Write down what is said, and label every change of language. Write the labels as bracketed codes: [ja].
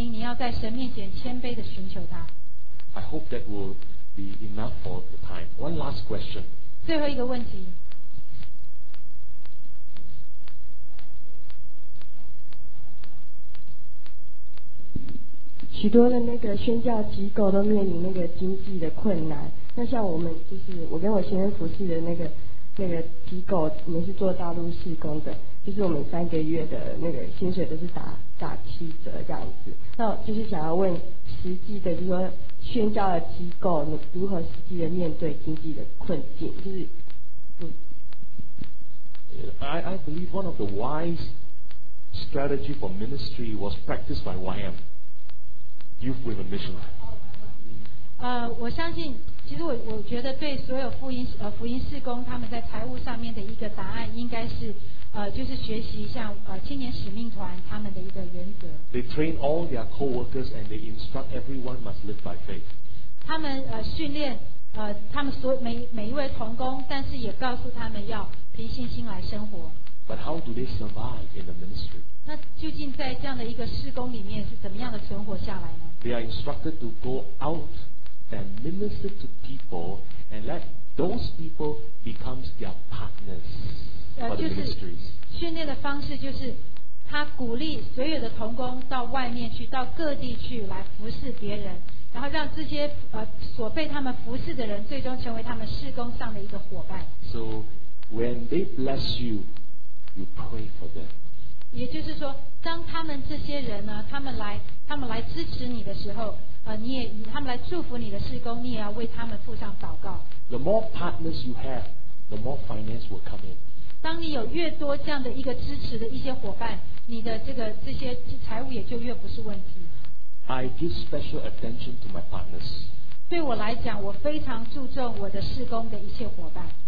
[zh] 因此你的第一步就是你要先来求神，来洁净你的心，你要在神面前谦卑地寻求他。 [en] I hope that will be enough for the time. One last question. [zh] 最后一个问题。许多的那个宣教机构都面临那个经济的困难那像我们就是我跟我先生服侍的那个机构，我们是做大陆事工的，就是我们三个月的那个薪水都是打七折这样子。那就是想要问实际的，就是说宣教的机构你如何实际的面对经济的困境，就是。 [en] I believe one of the wise strategy for ministry was practiced by YM, Youth with a Mission. [zh] 我相信，其实我觉得对所有福音事工他们在财务上面的一个答案，应该是就是学习像青年使命团他们的一个原则。 [en] They train all their co-workers and they instruct everyone must live by faith. [zh] 他们训练他们所每一位同工，但是也告诉他们要。凭信心来生活。 [en] But how do they survive in the ministry? [zh] 那究竟在这样的一个事工里面是怎么样的存活下来呢？ [en] They are instructed to go out and minister to people and let those people become their partners for the ministries. [zh] 训练的方式就是他鼓励所有的同工到外面去，到各地去来服侍别人，然后让这些所被他们服侍的人最终成为他们事工上的一个伙伴。 [en] So,When they bless you, you pray for them. [zh] 也就是说，当他们这些人呢，他们来支持你的时候，你也他们来祝福你的事工，你也要为他们付上祷告。 [en] The more partners you have, the more finance will come in. [zh] 当你有越多这样的一个支持的一些伙伴，你的这些财务也就越不是问题。 [en] I give special attention to my partners. [zh] 对我来讲，我非常注重我的事工的一切伙伴。